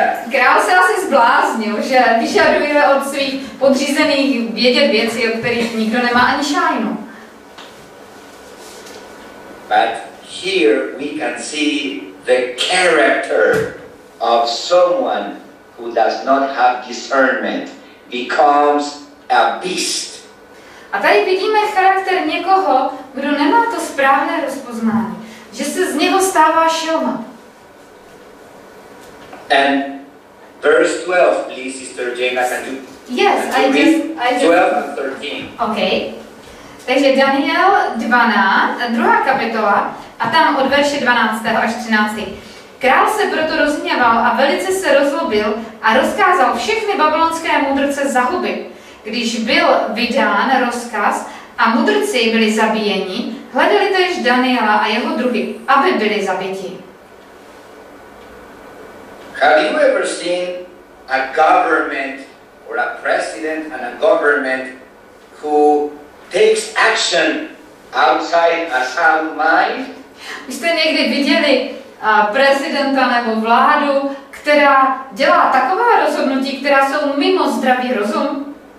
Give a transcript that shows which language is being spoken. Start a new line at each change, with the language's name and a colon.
Czech: Král se asi zbláznil, že vyžaduje od svých podřízených vědět věci, o kterých nikdo nemá ani šajnu.
English: But here we can see the character of someone who does not have discernment becomes a beast.
Czech: A tady vidíme charakter někoho, kdo nemá to správné rozpoznání, že se z něho stává šelma.
English: And verse 12, please, Sister Jane, can you? Yes, can you I read? Just 12 and 13.
Czech: Okay. Takže Daniel 12, druhá kapitola, a tam od verše 12. až 13. Král se proto rozhněval a velice se rozlobil a rozkázal všechny babylonské mudrce zahubit. Když byl vydán rozkaz a mudrci byli zabíjeni, hledali též Daniela a jeho druhy, aby byli zabiti.
English: Have you ever seen a government or a president and a government who takes action outside a sound mind?
Czech: Vy jste někdy viděli prezidenta nebo vládu, která dělá taková rozhodnutí, která jsou mimo zdravý rozum?